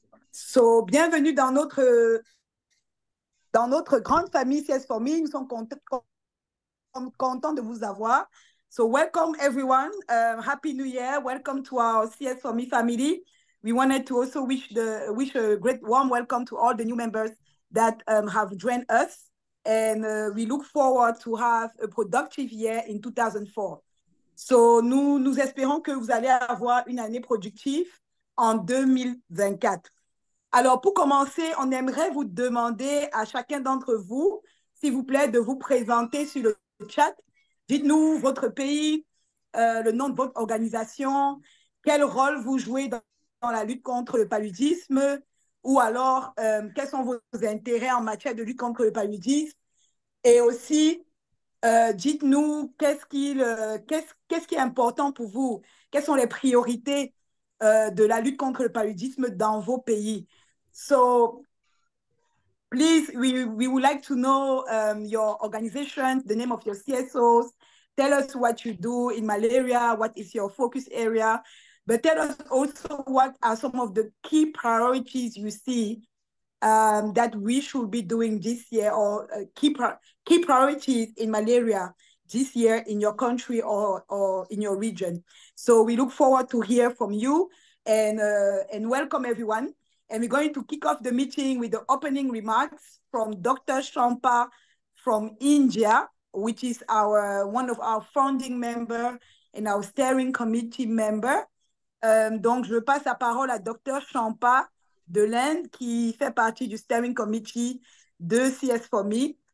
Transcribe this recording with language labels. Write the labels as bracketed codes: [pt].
[fr] So, bienvenue dans notre grande famille CS4Me. Nous sommes contents de vous avoir. [en] So, welcome everyone. Happy New Year. Welcome to our CS4Me family. We wanted to also wish a great warm welcome to all the new members that have joined us. And we look forward to have a productive year in 2004. [fr] So, nous espérons que vous allez avoir une année productive en 2024. Alors, pour commencer, on aimerait vous demander à chacun d'entre vous, s'il vous plaît, de vous présenter sur le chat. Dites-nous votre pays, le nom de votre organisation, quel rôle vous jouez dans la lutte contre le paludisme, ou alors quels sont vos intérêts en matière de lutte contre le paludisme. Et aussi, dites-nous qu'est-ce qui est important pour vous, quelles sont les priorités de la lutte contre le paludisme dans vos pays. [en] So, please, we would like to know your organization, the name of your CSOs. Tell us what you do in malaria, what is your focus area, but tell us also what are some of the key priorities you see that we should be doing this year, or key priorities in malaria this year in your country or in your region. So we look forward to hear from you and welcome everyone. And we're going to kick off the meeting with the opening remarks from Dr. Shampa from India, which is one of our founding members and our steering committee member. [fr] Donc, je passe la parole à Dr. Shampa de l'Inde, qui fait partie du steering committee de CS4Me.